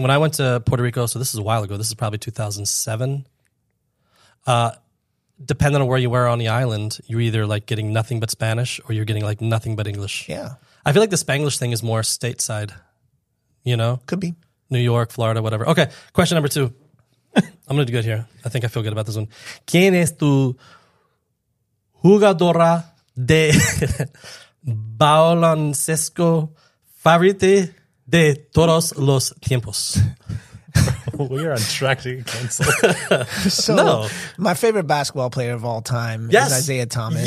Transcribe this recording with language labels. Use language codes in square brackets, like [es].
[en] When I went to Puerto Rico, so this is a while ago, this is probably 2007, depending on where you were on the island, you're either like getting nothing but Spanish or you're getting like nothing but English. Yeah. I feel like the Spanglish thing is more stateside, you know? Could be. New York, Florida, whatever. Okay. Question number two. I'm going to do good here. I think I feel good about this one. [es] ¿Quién es tu jugadora de baloncesto favorita de todos los tiempos? [en] We are on track to get canceled. So, no. My favorite basketball player of all time is Isaiah Thomas.